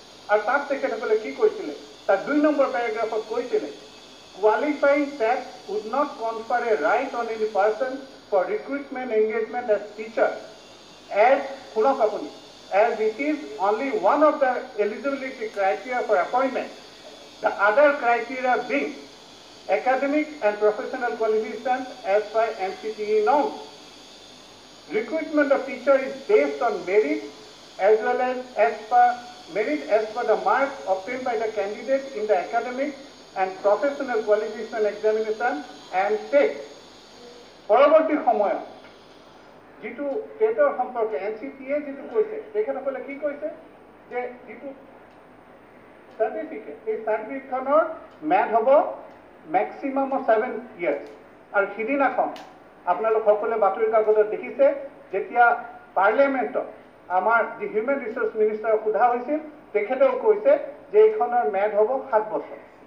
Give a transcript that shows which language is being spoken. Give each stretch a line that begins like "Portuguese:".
Assamese: আৰু তাত তেখেতসকলে কি কৈছিলে, তাত 2 নম্বৰ পেৰাগ্ৰাফত কৈছিলে,
English: qualifying TET would not confer a right on any person for recruitment engagement as teacher as,
Assamese: শুনক আপুনি,
English: As it is only one of the eligibility criteria for appointment, the other criteria being academic and professional qualification as by NCTE norm. Recruitment of teacher is based on merit as well as per the marks obtained by the candidate in the academic and professional qualification examination and test.
Assamese: পৰৱৰ্তী সময়ত যিটো টেটৰ সম্পৰ্কে NCTA যিটো কৈছে, তেখেতসকলে কি কৈছে যে যিটো চাৰ্টিফিকেট, এই চাৰ্টিফিকেটখনৰ মেড হ'ব মেক্সিমাম 7 ইয়াৰ্ছ। আৰু সিদিনাখন আপোনালোক সকলোৱে বাতৰি কাকতত দেখিছে যেতিয়া পাৰ্লিয়ামেণ্টত আমাৰ যি হিউমেন ৰিচোৰ্চ মিনিষ্টাৰক সোধা হৈছিল, তেখেতেও কৈছে যে এইখনৰ মেড হ'ব 7 বছৰ।